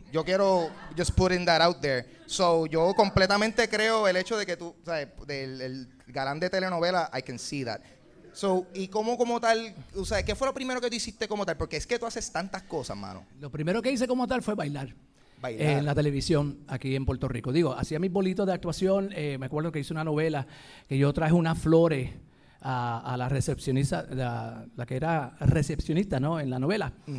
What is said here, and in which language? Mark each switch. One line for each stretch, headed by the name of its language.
Spanish: Yo quiero
English: just putting that out there.
Spanish: So, yo completamente creo el hecho de que tú, ¿sabes? Del galán de telenovela,
English: I can see that.
Spanish: So, ¿y cómo como tal? O sea, ¿qué fue lo primero que tú hiciste como tal? Porque es que tú haces tantas cosas, mano. Lo primero que hice como tal fue bailar. Bailar. En la televisión aquí en Puerto Rico. Digo, hacía mis bolitos de actuación. Me acuerdo que hice una novela que yo traje unas flores a la recepcionista, la que era recepcionista, ¿no? En la novela.